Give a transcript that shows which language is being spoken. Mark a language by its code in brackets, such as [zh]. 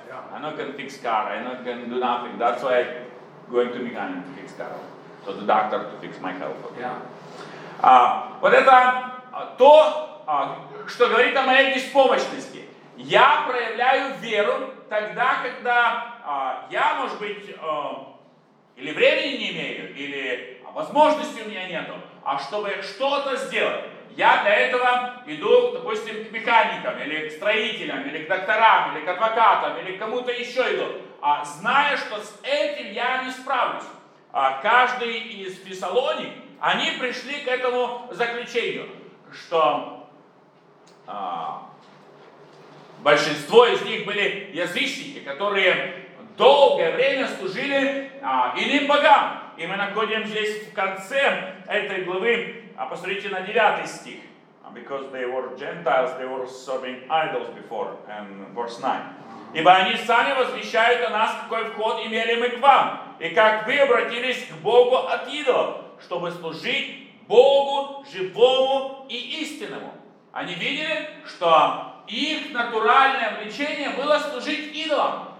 [en] Yeah. I not can fix car, I not can do nothing. That's why I'm going to mechanic to fix car. So the doctor to fix my health. Okay. Yeah. [ru] Вот это то, что говорит о моей беспомощности. Я проявляю веру тогда, когда я, может быть, или времени не имею, или возможности у меня нету, а чтобы что-то сделать, я для этого иду, допустим, к механикам, или к строителям, или к докторам, или к адвокатам, или к кому-то еще иду, зная, что с этим я не справлюсь. Каждый из Фессалоник, они пришли к этому заключению, что большинство из них были язычники, которые долгое время служили иным богам. И мы находим здесь в конце этой главы, посмотрите на 9 стих. [en] Because they were Gentiles, they were serving idols before, and verse 9. [ru] Ибо они сами возвещают о нас, какой вход имели мы к вам, и как вы обратились к Богу от идолов, чтобы служить Богу живому и истинному. Они видели, что их натуральное влечение было служить идолам.